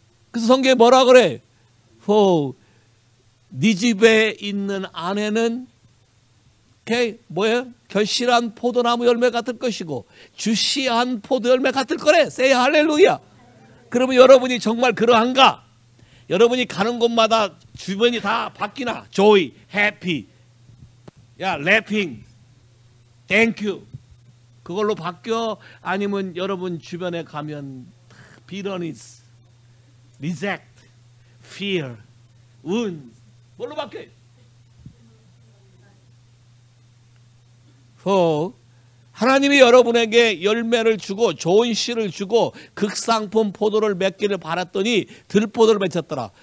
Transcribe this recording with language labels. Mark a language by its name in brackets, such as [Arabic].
[Korean] 그래서 성경에 뭐라 그래? 호, 네 집에 있는 아내는 뭐예요? 결실한 포도나무 열매 같을 것이고 주시한 포도 열매 같을 거래. [English] Say hallelujah. [Korean] 그러면 여러분이 정말 그러한가? 여러분이 가는 곳마다 주변이 다 바뀌나? [English] Joy, happy, yeah, laughing, thank you. [Korean] 그걸로 바뀌어? 아니면 여러분 주변에 가면 [English] bitterness, reject, fear, wounds. [Korean] 뭘로 바뀌어? 하나님이 여러분에게 열매를 주고 좋은 씨를 주고 극상품 포도를 맺기를 바랐더니 들포도를 맺혔더라.